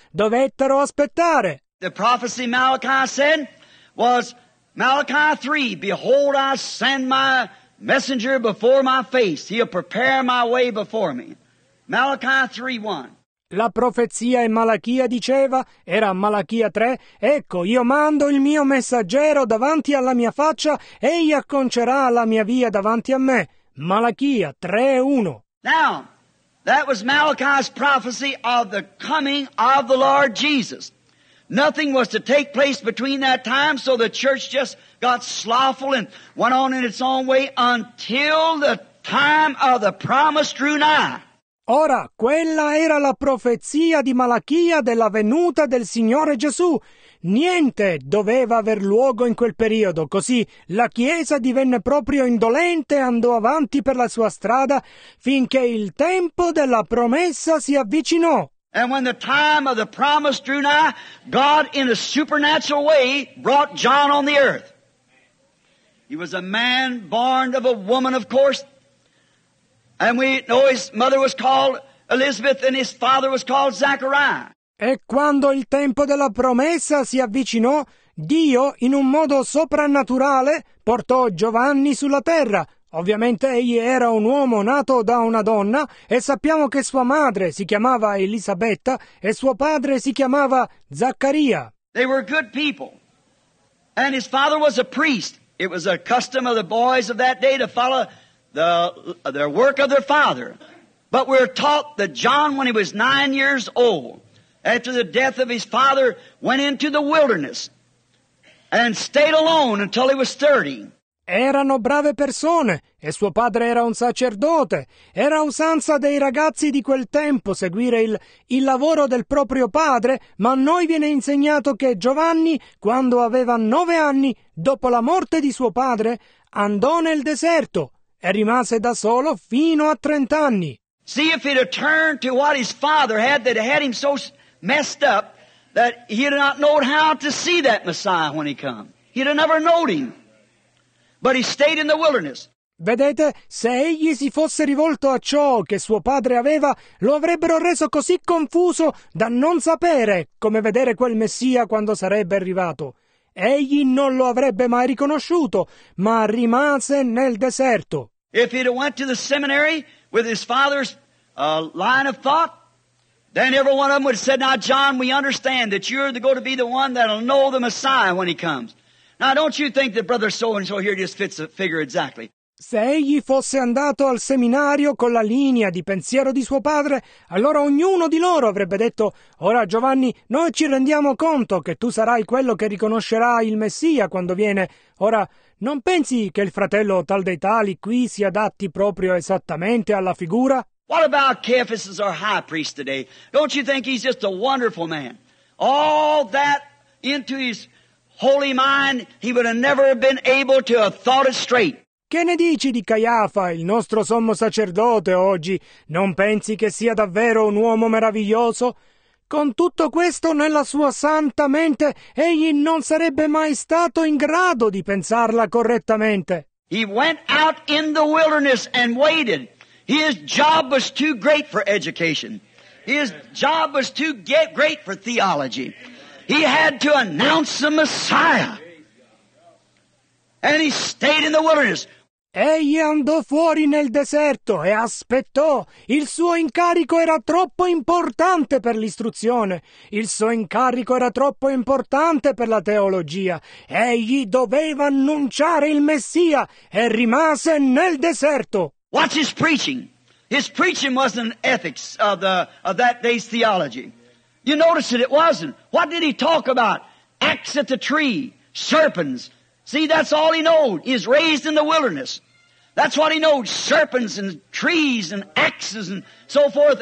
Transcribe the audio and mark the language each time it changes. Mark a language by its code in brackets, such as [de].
[it] Dovettero aspettare. [en] The prophecy Malachi said was Malachi 3, Behold, I send my messenger before my face. He'll prepare my way before me. Malachi 3:1. [it] la profezia in Malachia diceva, era Malachia 3, ecco, io mando il mio messaggero davanti alla mia faccia, egli acconcerà la mia via davanti a me. Malachia 3:1. [en] Now, that was Malachi's prophecy of the coming of the Lord Jesus. Nothing was to take place between that time, so the church just got slothful and went on in its own way until the time of the promise drew nigh. [it] Ora, quella era la profezia di Malachia della venuta del Signore Gesù. Niente doveva aver luogo in quel periodo, così la Chiesa divenne proprio indolente e andò avanti per la sua strada finché il tempo della promessa si avvicinò. [en] And when the time of the promise drew nigh, God in a supernatural way brought John on the earth. He was a man born of a woman, of course. And we know his mother was called Elizabeth and his father was called Zachariah. [it] E quando il tempo della promessa si avvicinò, Dio in un modo soprannaturale portò Giovanni sulla terra. Ovviamente egli era un uomo nato da una donna e sappiamo che sua madre si chiamava Elisabetta e suo padre si chiamava Zaccaria. [en] They were good people. And his father was a priest. It was a custom of the boys of that day to follow the work of their father. But we're taught that John, when he was 9 years old, after the death of his father, went into the wilderness and stayed alone until he was 30. [it] Erano brave persone e suo padre era un sacerdote. Era usanza dei ragazzi di quel tempo seguire il lavoro del proprio padre, ma a noi viene insegnato che Giovanni, quando aveva 9 anni, dopo la morte di suo padre, andò nel deserto e rimase da solo fino a 30 anni. [en] See if he'd have turned to what his father had that had him so messed up that he'd not known how to see that Messiah when he come. He'd have never known him. But he stayed in the wilderness. [it] Vedete, se egli si fosse rivolto a ciò che suo padre aveva, lo avrebbero reso così confuso da non sapere come vedere quel Messia quando sarebbe arrivato. Egli non lo avrebbe mai riconosciuto, ma rimase nel deserto. [en] If he'd have went to the seminary with his father's line of thought, then every one of them would have said, "Now, John, we understand that you're going to be the one that'll know the Messiah when he comes." Now, don't you think that brother so-and-so here just fits the figure exactly? [it] Se egli fosse andato al seminario con la linea di pensiero di suo padre, allora ognuno di loro avrebbe detto, ora Giovanni, noi ci rendiamo conto che tu sarai quello che riconoscerà il Messia quando viene. Ora, non pensi che il fratello tal dei tali qui si adatti proprio esattamente alla figura? [en] What about Caiaphas as our high priest today? Don't you think he's just a wonderful man? All that into his holy mind, he would have never been able to have thought it straight. [it] Che ne dici di Caiafa, il nostro sommo sacerdote oggi? Non pensi che sia davvero un uomo meraviglioso? Con tutto questo nella sua santa mente, egli non sarebbe mai stato in grado di pensarla correttamente. [en] He went out in the wilderness and waited. His job was too great for education. His job was too great for theology. He had to announce the Messiah. And he stayed in the wilderness. [it] Egli andò fuori nel deserto e aspettò. Il suo incarico era troppo importante per l'istruzione. Il suo incarico era troppo importante per la teologia. Egli doveva annunciare il Messia e rimase nel deserto. [en] Watch his preaching. His preaching wasn't an ethics of that day's theology. You notice that it wasn't. What did he talk about? Axe at the tree, serpents. See, that's all he knows. He's raised in the wilderness. That's what he knows, serpents and trees and axes and so forth.